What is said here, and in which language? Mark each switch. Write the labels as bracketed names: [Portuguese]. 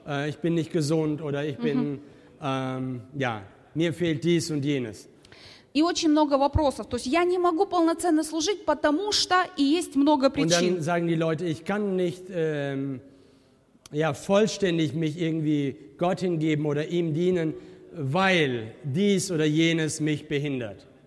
[German] Ich bin nicht gesund oder ich bin, ja, mir fehlt dies und jenes. [Russian] И очень много вопросов. То есть я не могу полноценно служить, потому что и есть много причин. [German] Und dann sagen die Leute, ich kann nicht ja, vollständig mich irgendwie Gott hingeben oder ihm dienen, weil dies oder jenes mich behindert.